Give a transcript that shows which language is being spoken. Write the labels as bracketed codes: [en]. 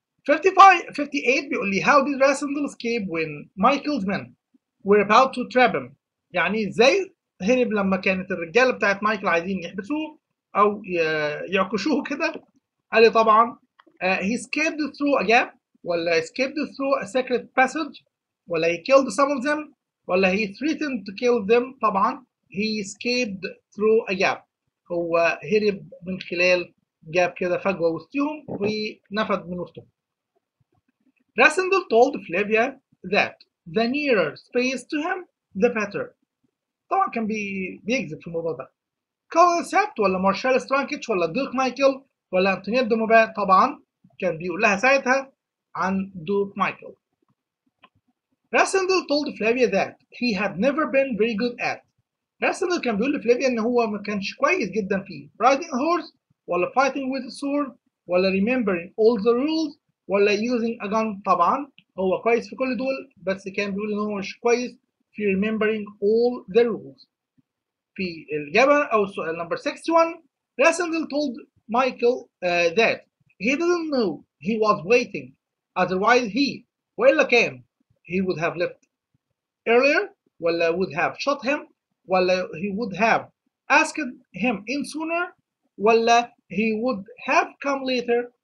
[en] 58 بيقول لي how did Rassendyll escape when Michael's men were about to trap him؟ [ar] يعني ازاي هرب لما كانت الرجاله بتاعت مايكل عايزين يحبسوه او يعكشوه كده؟ قال لي طبعا [en] he escaped through a gap ولا escaped through a secret passage ولا he killed some of them ولا he threatened to kill them. [ar] طبعا [en] he escaped through a gap، [ar] هو هرب من خلال جاب كده فجوه وسطهم ونفد من وسطهم. [en] Rassendyll told Flavia that the nearer space to him, the better. [ar] طبعا كان بيكذب في الموضوع ده. Colonel Sept ولا مارشال سترانكيتش ولا دوك مايكل ولا انتونيت دومبان؟ طبعا كان بيقول لها ساعتها عن دوك مايكل. [en] Rassendyll told Flavia that he had never been very good at. [ar] Rassendyll كان بيقول لفلافيا ان هو ما كانش كويس جدا في [en] riding a horse [ar] ولا [en] fighting with a sword [ar] ولا [en] remembering all the rules [ar] ولا [en] using a gun. [ar] طبعا هو كويس في كل دول بس كان بيقول ان هو مش كويس في [en] remembering all the rules. [ar] في الجبهة او السؤال نمبر [en] 61 Rassendyll told Michael that he didn't know he was waiting otherwise he [ar] وإلا كان [en] he would have left earlier ولا would have shot him ولا he would have asked him in sooner ولا he would have come later.